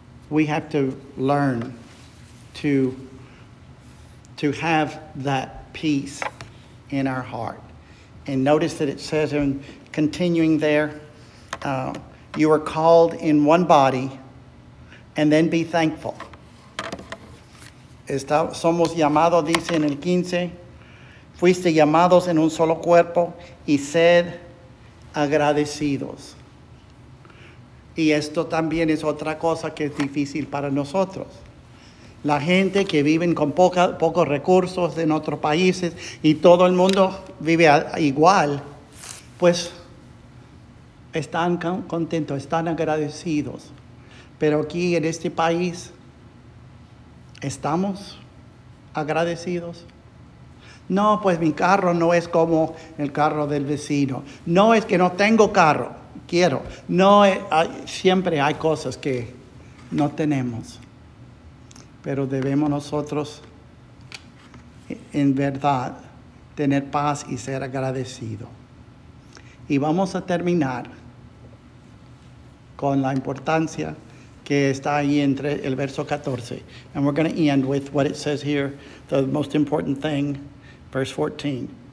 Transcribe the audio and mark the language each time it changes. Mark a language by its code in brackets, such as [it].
[en] We have to learn to have that peace in our heart. And notice that it says, in continuing there, you are called in one body, and then be thankful. [es] Somos llamados, dice en el 15, fuiste llamados en un solo cuerpo, y sed agradecidos. Y esto también es otra cosa que es difícil para nosotros. La gente que vive con pocos recursos en otros países, y todo el mundo vive igual, pues están contentos, están agradecidos. Pero aquí en este país, ¿estamos agradecidos? No, pues mi carro no es como el carro del vecino. No es que no tengo carro. Quiero. No, siempre hay cosas que no tenemos. Pero debemos nosotros, en verdad, tener paz y ser agradecidos. Y vamos a terminar con la importancia que está ahí entre el verso 14. [en] And we're going to end with what it says here, the most important thing, verse 14.